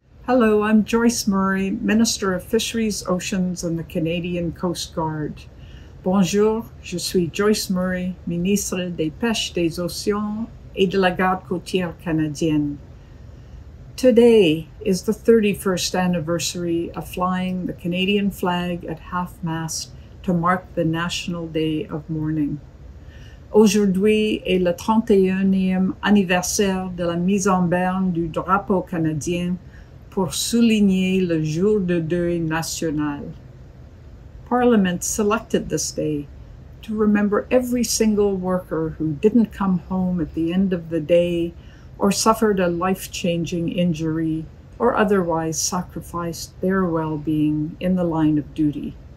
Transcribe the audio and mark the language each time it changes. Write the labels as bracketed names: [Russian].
[English] Hello, I'm Joyce Murray, Minister of Fisheries, Oceans and the Canadian Coast Guard. [French] Bonjour, je suis Joyce Murray, Ministre des Pêches des Océans et de la Garde Côtière Canadienne. [English] Today is the 31st anniversary of flying the Canadian flag at half-mast to mark the National Day of Mourning. [French] Aujourd'hui est le 31e anniversaire de la mise en berne du drapeau canadien pour souligner le jour de deuil national. [English] Parliament selected this day to remember every single worker who didn't come home at the end of the day or suffered a life-changing injury or otherwise sacrificed their well-being in the line of duty.